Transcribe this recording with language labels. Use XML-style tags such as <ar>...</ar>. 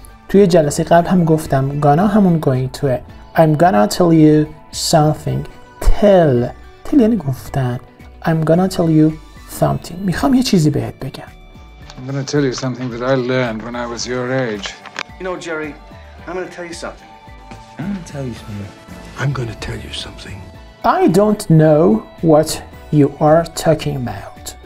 <fa>توی جلسه قبل هم گفتم gonna همون going to.</fa> <en>I'm gonna tell you something.</en> <fa>Tell یعنی گفتن.</fa> <en>I'm gonna tell you something.</en> <fa>میخوام یه چیزی بهت بگم.</fa> <en>I'm gonna tell you something that I learned when I was your age. You know, Jerry, I'm gonna tell you something. I'm gonna tell you something. I don't know what you are talking about.</en>